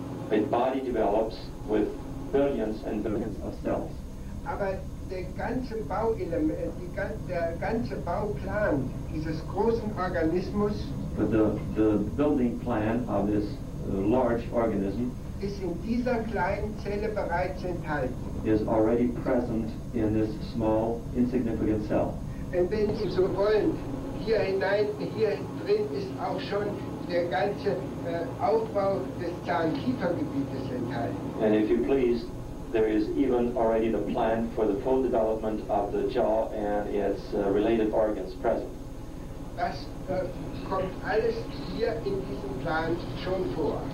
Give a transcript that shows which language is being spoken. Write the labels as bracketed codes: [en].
[en] A body develops with billions and billions of cells. [de] Aber der ganze Bauelement, der ganze Bauplan dieses großen Organismus, [en] but the building plan of this large organism, [de] ist in dieser kleinen Zelle bereits enthalten. [en] Is already present in this small, insignificant cell. [de] Und wenn Sie so wollen, hier drin ist auch schon der ganze Aufbau des Zahnkiefergebietes enthalten. [en] And if you please, there is even already the plan for the full development of the jaw and its related organs present. [de] Das kommt alles hier in diesem Plan schon vor.